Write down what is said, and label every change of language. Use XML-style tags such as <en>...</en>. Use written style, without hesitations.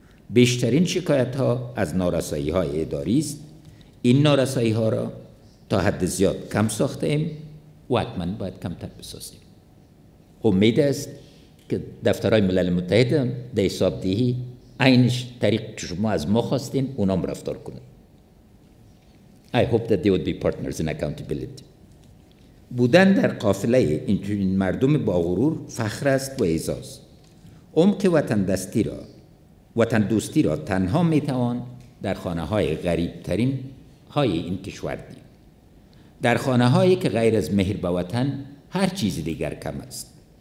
<fa>بیشترین شکایت ها از نارسایی های اداری است. این نارسایی ها را تا حد زیاد کم ساخته ایم و حتماً باید کمتر بسازیم. امید است که دفترهای ملل متحد هم در حساب دهی عینش طریق که شما از ما خواستین اونام رفتار کنند.</fa> <en>I hope that they would be partners in accountability.</en> <fa>بودن در قافله این مردم با غرور فخر است و اعزاز. عمق وطن دوستی را تنها می توان در خانه های غریب ترین های این کشور دید. در خانه هایی که غیر از مهر به وطن هر چیز دیگر کم است.</fa>